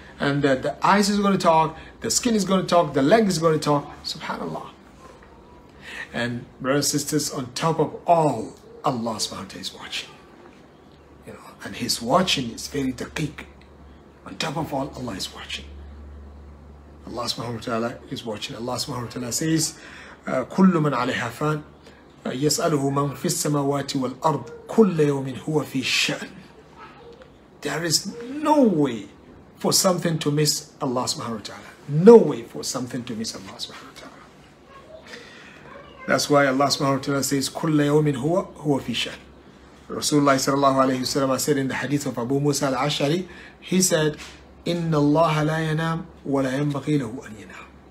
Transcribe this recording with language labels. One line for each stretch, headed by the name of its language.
English: And the eyes is going to talk, the skin is going to talk, the leg is going to talk. SubhanAllah. And brothers and sisters, on top of all, Allah subhanahu wa ta'ala is watching. You know, and his watching is very taqiq. On top of all, Allah is watching. Allah subhanahu wa ta'ala is watching.
Arabic: Allah subhanahu wa ta'ala says, كُلُّ مَنْ عَلَيْهَا فَانْ يَسْأَلُهُ مَنْ فِي السَّمَوَاتِ وَالْأَرْضِ كُلَّ يَوْمٍ هُوَ فِي الشَّأْنِ.
English: There is no way for something to miss Allah subhanahu wa ta'ala. No way for something to miss Allah subhanahu wa ta'ala. That's why Allah subhanahu wa ta'ala says, كُلَّ يَوْمٍ هُوَ فِي الشَّأْنِ. Rasulullah sallallahu alayhi wa sallam said in the hadith of Abu Musa al-Ash'ari, he said, إِنَّ اللَّهَ لَا يَنَامْ وَلَا يَنْبَغِي لَهُ أَنْ يَنَامْ.